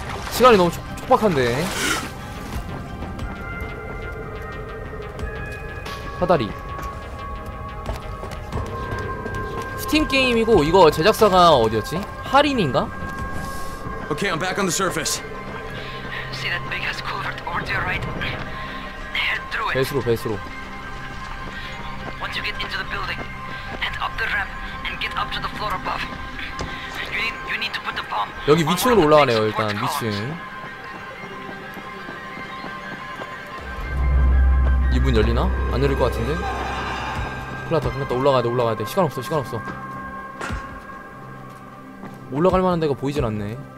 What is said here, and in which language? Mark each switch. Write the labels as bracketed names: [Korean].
[Korean] 시간이 너무 촉박한데. 화다리. 스팀 게임이고 이거 제작사가 어디였지? 하린인가? [English] Okay, I'm back on the surface. See that big ass covert over to your right? Head through it. 배수로. Once you get into the building, head up the ramp and get up to the floor above. You need to put the bomb. [Korean] 여기 위층으로 올라가네요, 일단 위층. 이분 열리나? 안 열릴 것 같은데? 큰일 났다. 올라가야 돼. 시간 없어. 올라갈 만한 데가 보이질 않네.